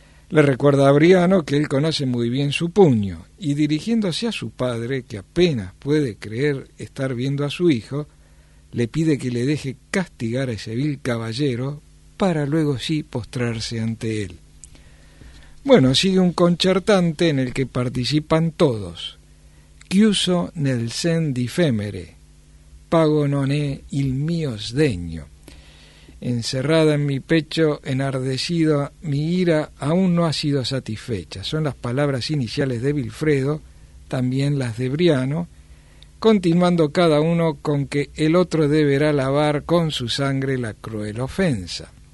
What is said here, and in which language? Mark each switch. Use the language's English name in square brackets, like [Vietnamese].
[Spanish] Le recuerda a Briano que él conoce muy bien su puño, y dirigiéndose a su padre, que apenas puede creer estar viendo a su hijo, le pide que le deje castigar a ese vil caballero para luego sí postrarse ante él. Bueno, sigue un concertante en el que participan todos. [Italian] Chiuso nel sen di femere, pago non è il mio sdegno. [Spanish] Encerrada en mi pecho, enardecido, mi ira aún no ha sido satisfecha. Son las palabras iniciales de Vilfredo, también las de Briano, continuando cada uno con que el otro deberá lavar con su sangre la cruel ofensa.